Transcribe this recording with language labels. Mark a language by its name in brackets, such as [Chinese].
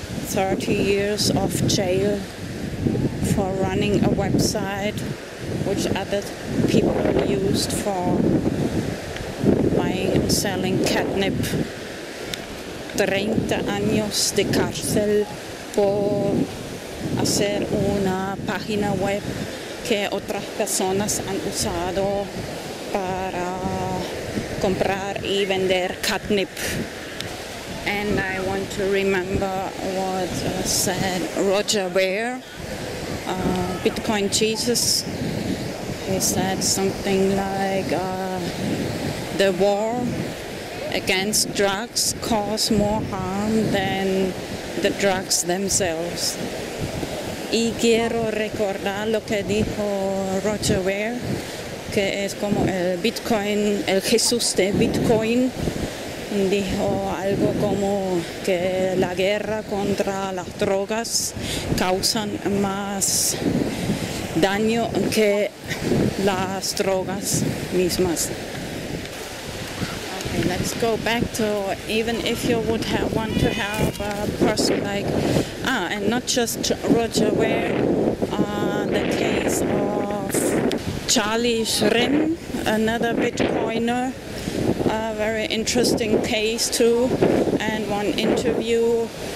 [English] 30 years of jail for running a website which other people used for buying and selling catnip. [Spanish] 30 años de cárcel por hacer una página web que otras personas han usado para comprar y vender catnip. [English] And I want to remember what said Roger Ver, Bitcoin Jesus. He said something like, the war against drugs cause more harm than the drugs themselves. [Spanish] Y quiero recordar lo que dijo Roger Ver, que es como el Bitcoin, el Jesús de Bitcoin. Dijo algo como que la guerra contra las drogas causan más daño que las drogas mismas. [English] Okay, let's go back to, even if you would want to have a person like, and not just Roger Ver, the case of Charlie Shrim, another Bitcoiner, a very interesting case too, and one interview.